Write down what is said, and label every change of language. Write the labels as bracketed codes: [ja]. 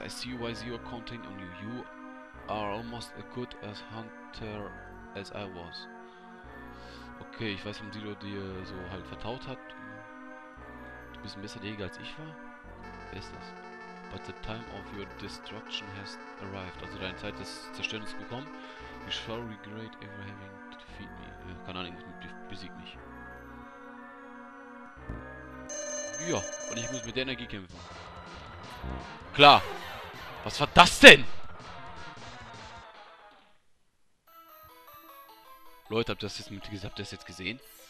[en] I see why you are counting on you. You are almost as good as Hunter as I was. [de] Okay, ich weiß, warum Silo dir so halt vertaut hat. Du bist ein besserer Jäger als ich war. Wer ist das? [en] But the time of your destruction has arrived. [de] Also deine Zeit des Zerstörens gekommen. [en] You shall regret ever having to defeat me. [de] Keine Ahnung, besieg mich. Ja, und ich muss mit der Energie kämpfen. Klar. Was war das denn? Leute, habt ihr das jetzt gesehen?